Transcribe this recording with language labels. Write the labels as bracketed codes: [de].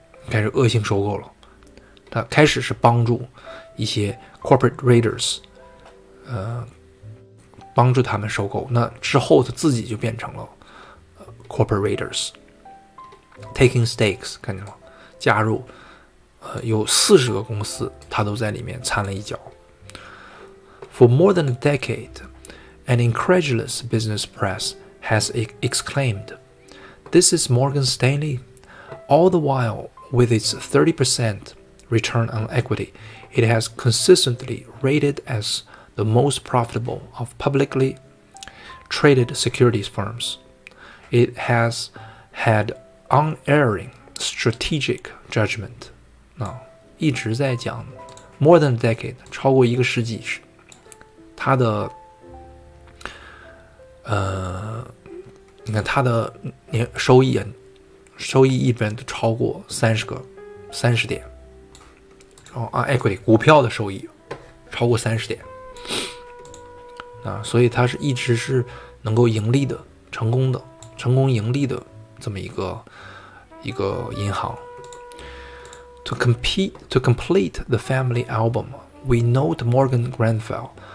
[zh] 开始恶性收购了。它开始是帮助一些 corporate raiders, 帮助他们收购。那之后它自己就变成了 corporate raiders, [en] taking stakes, [zh] 看见吗？加入，有40个公司它都在里面掺了一脚。 [en] For more than a decade, an incredulous business press has exclaimed, "This is Morgan Stanley." All the while, with its 30% return on equity, it has consistently rated as the most profitable of publicly traded securities firms. It has had unerring strategic judgment. [zh] 一直在讲 [en] more than a decade, [zh] 超过一个世纪。他的，你看他的年收益，收益一般都超过30点，然后啊 ，equity 股票的收益超过30点，所以他是一直是能够盈利的、成功的、成功盈利的这么一个银行。 [en] To complete the family album, we note Morgan Grenfell.